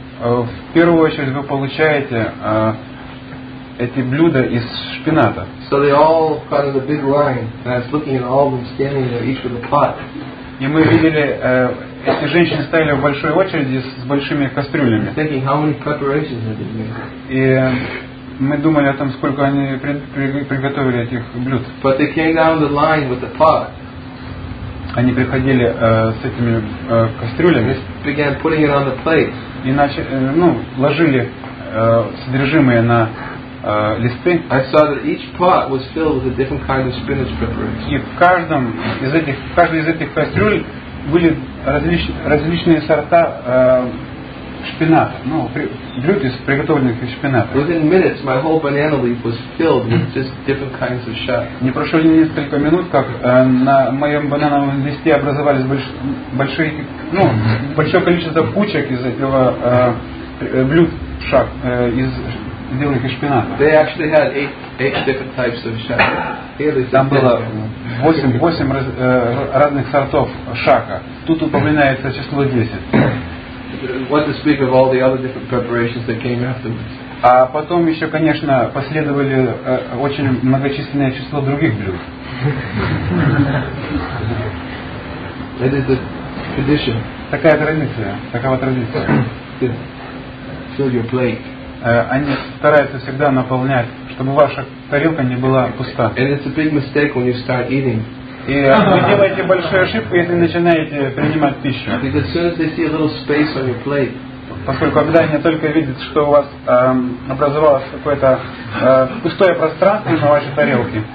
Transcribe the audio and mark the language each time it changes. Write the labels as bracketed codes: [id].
[ru] В первую очередь вы получаете эти блюда из шпината. [en] So they all cut in a big line, and I was looking at all of them standing there, each with a pot. [ru] И мы видели, эти женщины стояли в большой очереди с большими кастрюлями. [en] Thinking how many preparations they did. [ru] И мы думали о том, сколько они приготовили этих блюд. [en] But they came down the line with the pot. [ru] Они приходили с этими кастрюлями. [en] They began putting it on the plate. [ru] И начали, ложили содержимое на листы. [en] I saw that each pot was filled with a different kind of spinach preparation. [ru] И в каждой из этих кастрюль были различные сорта шпината, блюд из приготовленных из шпината. [en] Within minutes, my whole banana leaf was filled with just different kinds of shak. [ru] Не прошло ни несколько минут, как на моем банановом листе образовались большое количество кучек из этого блюд шак из сделанных из шпината. [en] They actually had eight different types of shak. [ru] Там было восемь разных сортов шака. Тут упоминается число 10. [en] What to speak of all the other different preparations that came afterwards. [ru] А потом еще, конечно, последовали очень многочисленное число других блюд. [en] That is the tradition. [ru] Такая традиция. Такова традиция. [en] Fill your plate. [ru] Они стараются всегда наполнять, чтобы ваша тарелка не была пуста. [en] And it's a big mistake when you start eating. [ru] И вы делаете большую ошибку, если начинаете принимать пищу. [en] Because as soon as they see a little space on your plate. [ru] Поскольку когда они только видят, что у вас образовалось какое-то пустое пространство на вашей тарелке,